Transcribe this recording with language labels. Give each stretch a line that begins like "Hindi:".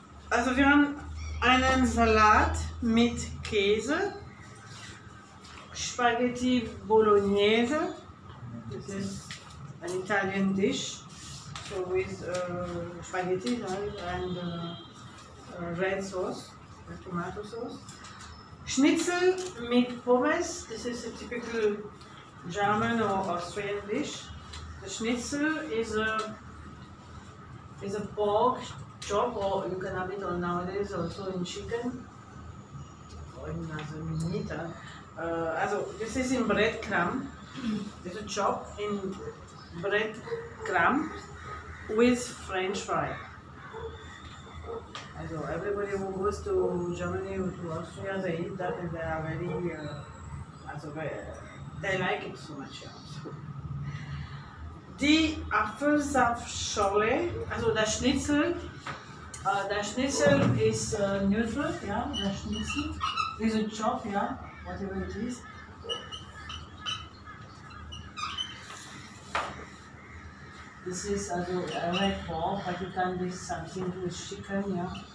German: Also wir haben einen Salat mit Käse, Spaghetti Bolognese, das ist
English: an Italian dish, so with spaghetti, right, and red sauce, tomato sauce.
German: Schnitzel mit Pommes,
English: this is a typical German or Austrian dish. The schnitzel is a pork chop, or you can have it on nowadays also in chicken. Also this is in bread crumb, it's a chop in bread crumb with French fry. Also everybody who goes to Germany or to Austria, they eat that and they are very, they like it so much.
German: Die Apfelsaftschorle, also der Schnitzel. Der Schnitzel ist neutral, ja,
English: yeah,
German: der Schnitzel.
English: This is a chop, yeah, whatever it is. This is also a red pork, but you can do something with chicken, yeah.